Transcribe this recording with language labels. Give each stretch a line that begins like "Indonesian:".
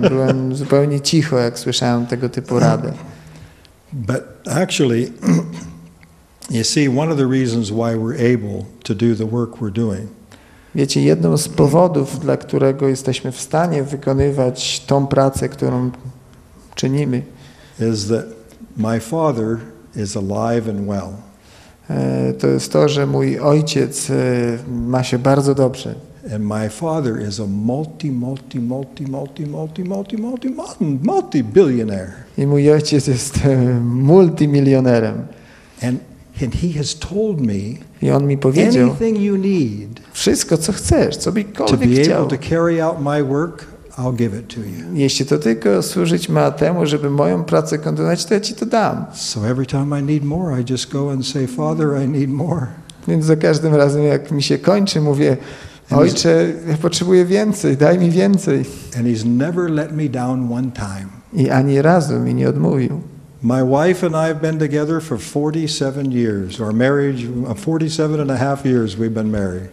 Polish: Byłem zupełnie cicho, jak słyszałem tego typu radę.
English: But actually, you see, one of the reasons why we're able to do the work we're doing.
Polish: Wiecie, jedną z powodów, dla którego jesteśmy w stanie wykonywać tą pracę, którą czynimy,
English: is that my father is alive and well.
Polish: To jest to, że mój ojciec ma się bardzo dobrze.
English: And my father is a multi-billionaire.
Polish: I mój ojciec jest multimilionerem.
English: And he has told me,
Polish: i on mi powiedział,
English: anything you need,
Polish: wszystko co chcesz, co by
English: to be able to carry out my work, I'll give it to you.
Polish: Jeśli to tylko służyć ma temu, żeby moją pracę kontynuować, to ja ci to dam.
English: So every time I need more, I just go and say, Father, I need more.
Polish: Więc za każdym razem, jak mi się kończy, mówię, Ojcze, ja potrzebuję więcej, daj mi więcej.
English: And he's never let me down one time.
Polish: I ani razu mi nie odmówił.
English: My wife and I have been together for 47 years, our marriage, 47 and a half years we've been married.